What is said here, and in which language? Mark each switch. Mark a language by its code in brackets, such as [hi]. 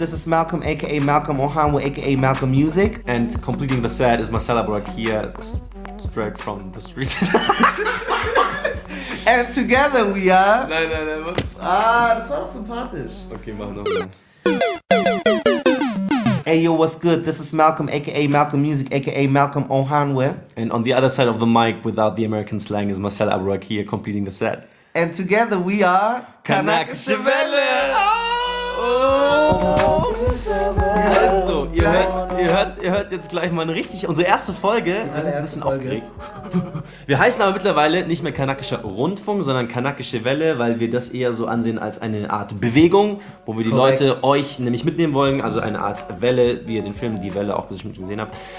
[en] This is Malcolm, aka Malcolm Ohan with aka Malcolm Music. And completing the set is Marcella Brock here, straight from the streets. And together we are... [de] Nein, das war doch sympathisch. Okay, mach nochmal. [en] Hey, yo, what's good? This is Malcolm, aka Malcolm Music, aka Malcolm Ohan with... And on the other side of the mic, without the American slang, is Marcella Brock here, completing the set. And together we are... Kanak Shevele! [de] Also, ihr hört jetzt gleich mal unsere erste Folge. Wir sind ein bisschen aufgeregt. Wir heißen aber mittlerweile nicht mehr Kanakischer Rundfunk, sondern Kanakische Welle, weil wir das eher so ansehen als eine Art Bewegung, wo wir die Leute euch nämlich mitnehmen wollen, also eine Art Welle, wie ihr den Film Die Welle auch bestimmt gesehen habt.